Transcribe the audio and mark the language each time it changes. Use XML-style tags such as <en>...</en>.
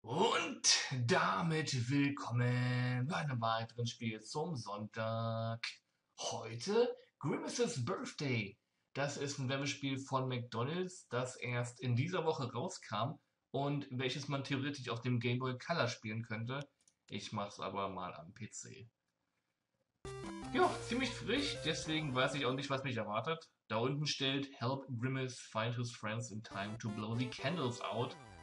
<de>Damit willkommen bei einem weiteren Spiel zum Sonntag. Heute Grimace's Birthday. Das ist ein Werbespiel von McDonald's, das erst in dieser Woche rauskam und welches man theoretisch auf dem Game Boy Color spielen könnte. Ich mach's aber mal am PC. Ja, ziemlich frisch, deswegen weiß ich auch nicht, was mich erwartet.</de> <en>Da unten steht: Help Grimace find his friends in time to blow the candles out.</en>